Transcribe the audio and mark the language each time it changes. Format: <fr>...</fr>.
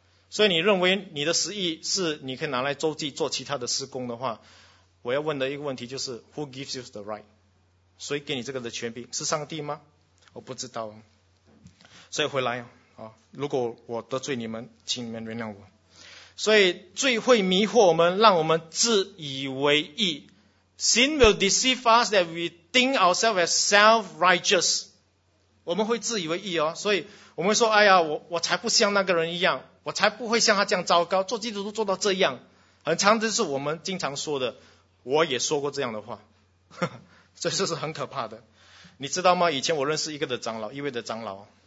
<zh>所以你认为你的十一是你可以拿来周济做其他的事工的话，我要问的一个问题就是</zh> <en>Who gives you the right？</en> <zh>谁给你这个的权柄？是上帝吗？我不知道。所以回来啊，如果我得罪你们，请你们原谅我。所以罪会迷惑我们，让我们自以为义。</zh> <en>Sin will deceive us that we think ourselves as self-righteous。</en> <zh>我们会自以为义哦，所以我们会说哎呀，我才不像那个人一样，我才不会像他这样糟糕，做基督徒做到这样。很常的是我们经常说的，我也说过这样的话。这就是很可怕的，你知道吗？以前我认识一个的长老，一位的长老</zh>